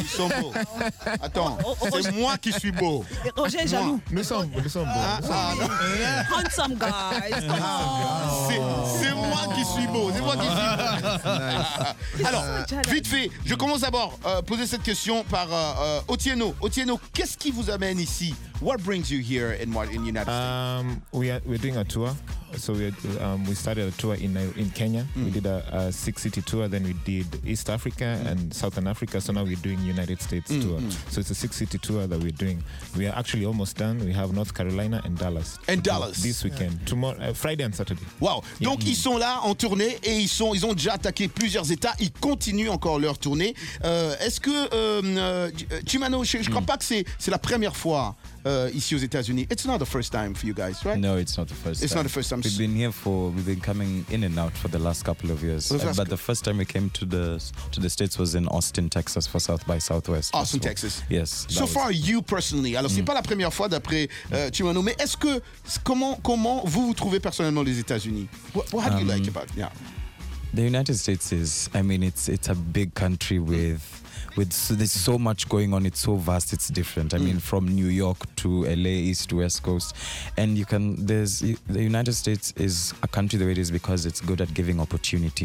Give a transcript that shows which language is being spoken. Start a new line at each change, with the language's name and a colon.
French: Ils sont beaux. Attends, c'est moi qui suis beau. Roger, jaloux. Nous sommes beaux.
English: Handsome guys.
French: C'est moi qui suis beau. C'est moi qui suis beau. Alors. Vite fait, je commence d'abord à poser cette question par Otieno. Otieno, qu'est-ce qui vous amène ici?
English: What brings you here in the United States? We're doing a tour. So we started a tour in Kenya. Mm. We did a six-city tour, then we did East Africa and Southern Africa. So now we're doing United States tour. Mm. So it's a six-city tour that we're doing. We are actually almost done. We have North Carolina and Dallas. And Dallas. This weekend, tomorrow, Friday and Saturday. Wow. Yeah.
French: Donc, ils sont là en tournée et ils ont déjà attaqué plusieurs États. Ils continuent encore leur tournée. Est-ce que, Chimano, je crois pas que c'est la première fois ici aux États-Unis.
English: It's not the first time for you guys, right? No, it's not the first time. It's not the first time. We've been coming in and out for the last couple of years. But the first time we came to the States was in Austin, Texas for South by Southwest. Austin, Texas. Yes. So far, you personally.
French: Alors, c'est pas la première fois d'après Chimano, mais est-ce que comment vous vous trouvez personnellement les États-Unis?
English: What do you like about? Yeah. The United States is, I mean, it's a big country with so there's so much going on. It's so vast. It's different. I mean, from New York to LA, East to West Coast, and the United States is a country the way it is because it's good at giving opportunity.